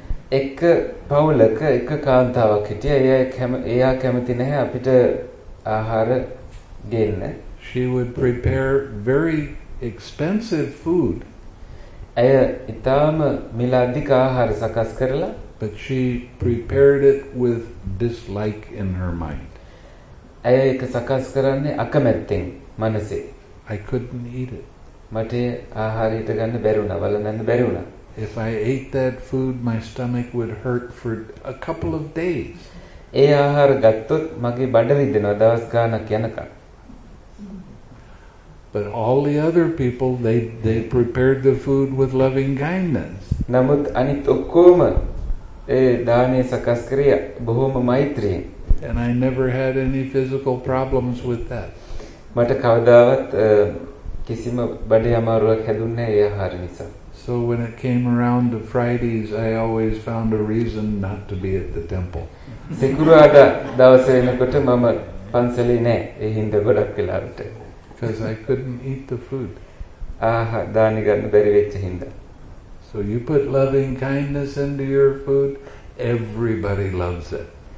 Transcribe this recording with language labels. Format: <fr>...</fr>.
<si>එක පවුලක එක කාන්තාවක් හිටියා. එයා කැමති නැහැ අපිට ආහාර දෙන්න.</si> <en>She would prepare very expensive food.</en> <si>එය ඉතාම මිල අධික ආහාර සකස් කරලා.</si> <en>But she prepared it with dislike in her mind.</en> <si>ඇය ඒක සකස් කරන්නේ අකමැත්තෙන් මනසේ.</si> <en>I couldn't eat it.</en> <si>මට ආහාරයට ගන්න බැරි වුණා, වළඳන්න බැරි වුණා.</si> <en>If I ate that food, my stomach would hurt for a couple of days.</en> <si>ඒ ආහාර ගත්තොත් මගේ බඩ රිදෙනවා දවස් ගාණක් යනකම්.</si> <en>But all the other people, they prepared the food with loving kindness.</en> <si>නමුත් අනිත් ඔක්කොම ඒ දානේ සකස් කරේ බොහොම මෛත්‍රියෙන්.</si> <en>And I never had any physical problems with that.</en> <si>මට කවදාවත් කිසිම බඩේ අමාරුවක් හැදුන්නේ නැහැ ඒ ආහාර නිසා.</si> <en>So when it came around to Fridays, I always found a reason not to be at the temple.</en> <si>සිකුරාදා දවසේ වෙනකොට මම පන්සලේ නැහැ ඒ හින්දා ගොඩක් වෙලාවට.</si> <en>Because I couldn't eat the food.</en> <si>ආහාර දානි ගන්න බැරි වෙච්ච හින්දා.</si> <en>So you put loving kindness into your food, everybody loves it.</en>